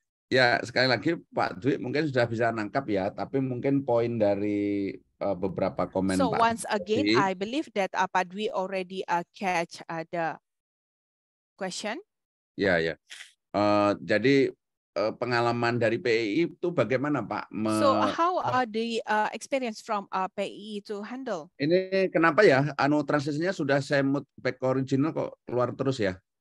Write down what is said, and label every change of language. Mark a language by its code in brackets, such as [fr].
[id] Ya, sekali lagi Pak Dwi mungkin sudah bisa nangkap ya, tapi mungkin poin dari beberapa komen [en] so [id] Pak. [en] So once again, Dwi, I believe that Pak Dwi already catch the question. [id] Ya, ya. Jadi pengalaman dari PII itu bagaimana, Pak? [en] So how are the experience from PII to handle? [id] Ini kenapa ya? Anu transisinya sudah saya [en] mute back original [id] kok keluar terus ya?